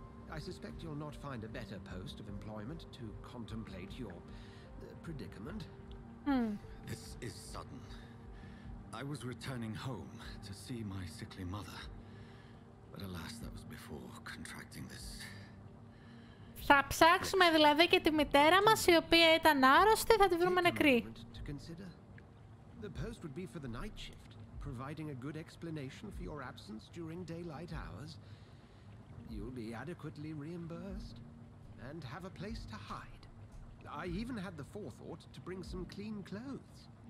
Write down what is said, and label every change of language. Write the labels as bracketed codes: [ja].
[en] I suspect you'll not find a better post of employment to contemplate your predicament. Hmm. This is sudden. I was returning home to see my sickly mother. But alas, that was before contracting this. [el] Θα ψάξουμε δηλαδή και τη μητέρα μας η οποία ήταν άρρωστη, θα τη βρούμε νεκρή. [en] The post would be for the night shift, providing a good explanation for your absence during daylight hours. You'll be adequately reimbursed and have a place to hide. I even had the forethought to bring some clean clothes.